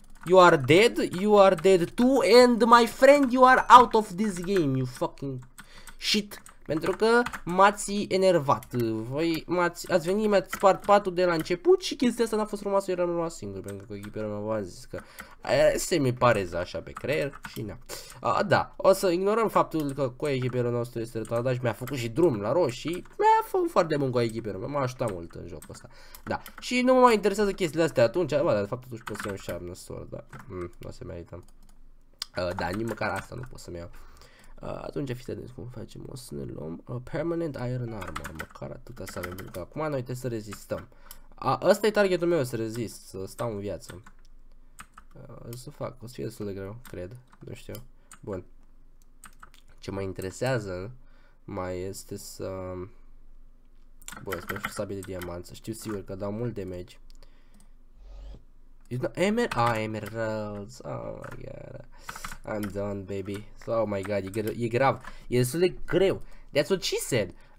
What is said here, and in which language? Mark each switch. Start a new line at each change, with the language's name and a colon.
English: You are dead too, and my friend, you are out of this game, you fucking shit.
Romanian: Pentru că m-ați enervat, voi ați venit, mi-ați spart patul de la început și chestia asta n-a fost frumoasă, eram rămas singur, pentru că echipierul meu v-a zis că se mi pareză așa pe creier și na. Da, o să ignorăm faptul că cu echipierul nostru este retardat și mi-a făcut și drum la roșii, mi-a făcut foarte bun cu echipierul meu, m-a ajutat mult în jocul ăsta. Da, și nu mă mai interesează chestiile astea atunci, bă, dar de fapt totuși pot să iau și arnă sword, da, nu se merită. Da, nici măcar asta nu pot să-mi iau. Atunci fiți atenți cum facem, o să ne luăm permanent iron armor, măcar atâta să avem, pentru că acum noi trebuie să rezistăm. Ăsta e targetul meu, să rezist, să stau în viață. O să fie destul de greu, cred, nu știu. Bun. Ce mă interesează mai este să... Bun, să mergem și sabie de diamant, să știu sigur că dau mult damage.
English: Emeralds, oh my god, I'm done, baby, oh my god,
Romanian: e grav, e destul de greu,
English: that's what she said.